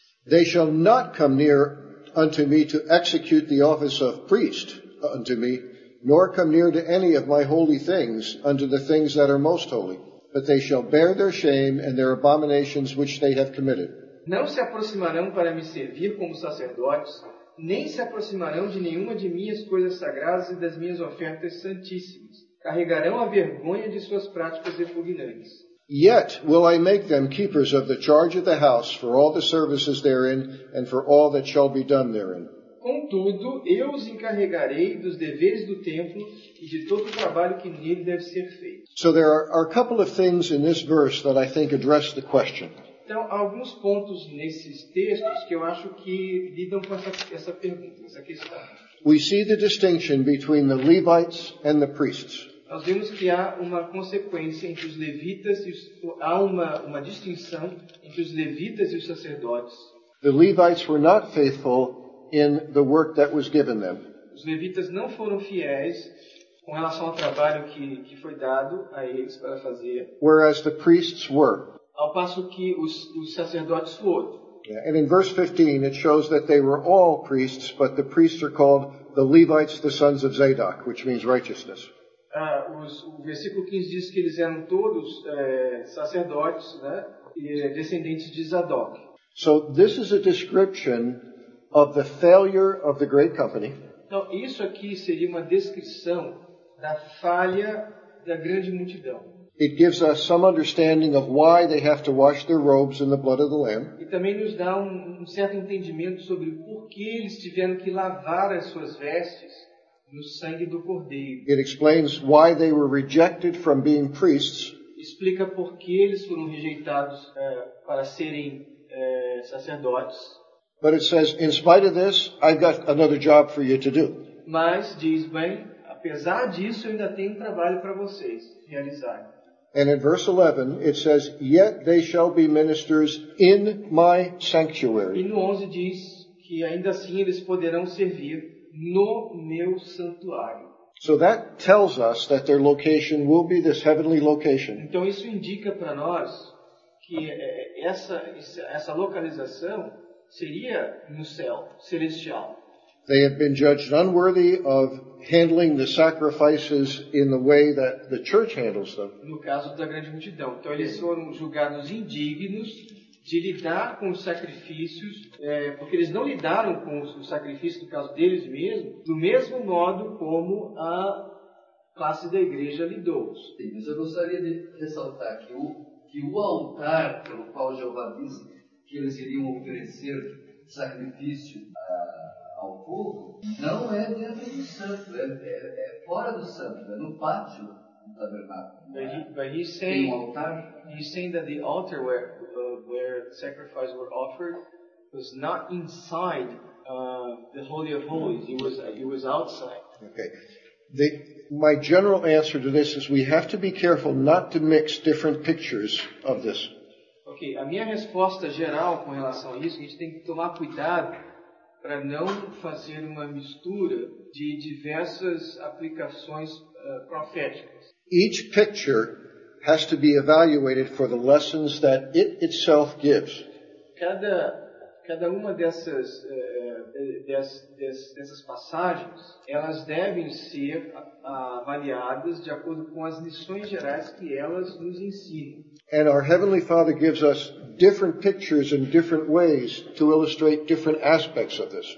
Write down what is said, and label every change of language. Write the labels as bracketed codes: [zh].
[en] They shall not come near unto me to execute the office of priest unto me, nor come near to any of my holy things, unto the things that are most holy. But they shall bear their shame and their abominations which they have committed. [pt] Não se aproximarão para me servir como sacerdotes, nem se aproximarão de nenhuma de minhas coisas sagradas e das minhas ofertas santíssimas. Carregarão a vergonha de suas práticas repugnantes. [en] Yet will I make them keepers of the charge of the house for all the services therein and for all that shall be done therein. [pt] Contudo, eu os encarregarei dos deveres do templo e de todo o trabalho que nele deve ser feito. [en] So there are a couple of things in this verse that I think address the question. [pt] Então, há alguns pontos nesses textos que eu acho que lidam com essa pergunta, essa questão. [en] We see the distinction between the Levites and the priests. [pt] Nós vemos que há uma consequência entre os levitas e há uma distinção entre os levitas e os sacerdotes. [en] The Levites were not faithful in the work that was given them. [pt] Os levitas não foram fiéis com relação ao trabalho que foi dado a eles para fazer. [en] Whereas the priests were. [pt] Ao passo que os sacerdotes foram. [en] Yeah. And in verse 15 it shows that they were all priests, but the priests are called the Levites, the sons of Zadok, which means righteousness. [pt] O versículo 15 diz que eles eram todos sacerdotes, né, e descendentes de Zadok. [en] So this is a description of the failure of the Great Company. [pt] Então, isso aqui seria uma descrição da falha da grande multidão. [en] It gives us some understanding of why they have to wash their robes in the blood of the Lamb. [pt] E também nos dá um certo entendimento sobre por que eles tiveram que lavar as suas vestes no sangue do Cordeiro. [en] It explains why they were rejected from being priests. [pt] Explica por que eles foram rejeitados para serem sacerdotes. [en] But it says, in spite of this, I've got another job for you to do. [pt] Mas diz bem, apesar disso, eu ainda tenho um trabalho para vocês realizar. [en] And in verse 11, it says, yet they shall be ministers in my sanctuary. [pt] E no 11 diz que ainda assim eles poderão servir no meu santuário. [en] So that tells us that their location will be this heavenly location. [pt] Então isso indica para nós que essa localização seria no céu celestial. [en] They have been judged unworthy of handling the sacrifices in the way that the church handles them. [pt] No caso da grande multidão. Então eles foram julgados indignos de lidar com os sacrifícios, porque eles não lidaram com os sacrifícios, no caso deles mesmo, do mesmo modo como a classe da igreja lidou. Sim, mas eu gostaria de ressaltar que o altar pelo qual Jeová diz que eles iriam oferecer sacrifício ao povo, não é dentro do santo, é fora do santo, é no pátio do tabernáculo. [en] But he's saying, [pt] tem um altar. [en] He's saying that the altar where sacrifices were offered was not inside the Holy of Holies. He was outside. Okay. My general answer to this is we have to be careful not to mix different pictures of this. Okay. [pt] A minha resposta geral com relação a isso, a gente tem que tomar cuidado para não fazer uma mistura de diversas aplicações proféticas. [en] Each picture has to be evaluated for the lessons that it itself gives. [pt] Cada uma dessas dessas passagens, elas devem ser avaliadas de acordo com as lições gerais que elas nos ensinam. [en] And our Heavenly Father gives us different pictures in different ways to illustrate different aspects of this.